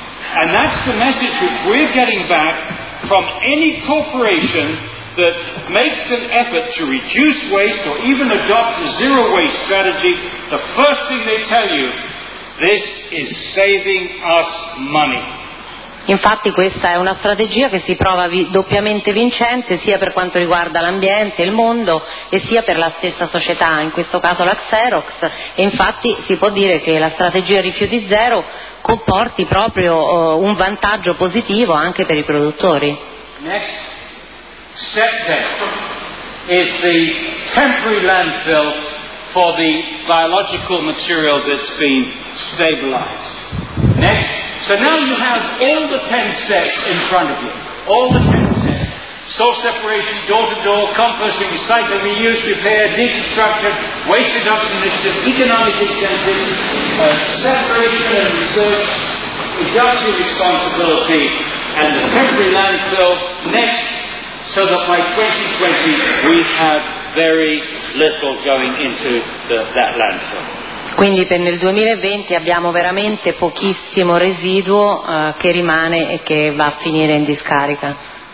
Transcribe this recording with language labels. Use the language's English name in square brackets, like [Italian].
[English] And that's the message that we're getting back from any corporation that makes an effort to reduce waste or even adopt a zero waste strategy. The first thing they tell you, this is saving us money. [Italian] Infatti questa è una strategia che si prova doppiamente vincente sia per quanto riguarda l'ambiente, il mondo e sia per la stessa società, in questo caso la Xerox. E infatti si può dire che la strategia rifiuti zero comporti proprio un vantaggio positivo anche per i produttori. [English] Next. Step 10 is the temporary landfill for the biological material that's been stabilized. Next. So now you have all the 10 steps in front of you. All the 10 steps. Soil separation, door-to-door, composting, recycling, reuse, repair, deconstruction, waste reduction initiative, economic incentives, separation and research, reduction responsibility, and the temporary landfill. Next. So that by 2020 we have very little going into that landfill. [Italian] Quindi per il 2020 abbiamo veramente pochissimo residuo che rimane e che va a finire in discarica.